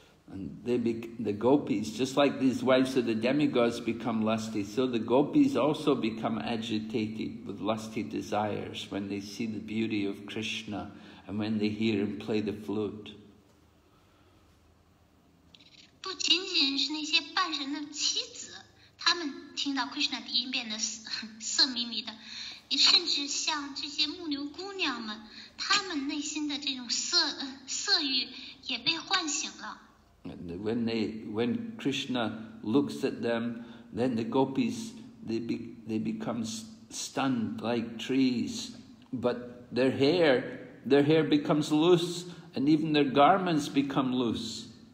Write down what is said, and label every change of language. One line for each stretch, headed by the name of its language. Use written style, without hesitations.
English: And the gopis, just like these wives of the demigods become lusty, so the gopis also become agitated with lusty desires when they see the beauty of Krishna and when they hear him play the flute.
Chinese: 不仅仅是那些半神的妻子，他们听到 Krishna 的音变得色眯眯的，甚至像这些牧牛姑娘们，她们内心的这种色欲也被唤醒了。
English: When Krishna looks at them, then the gopis they become stunned like trees, but their hair becomes loose, and even their garments become loose.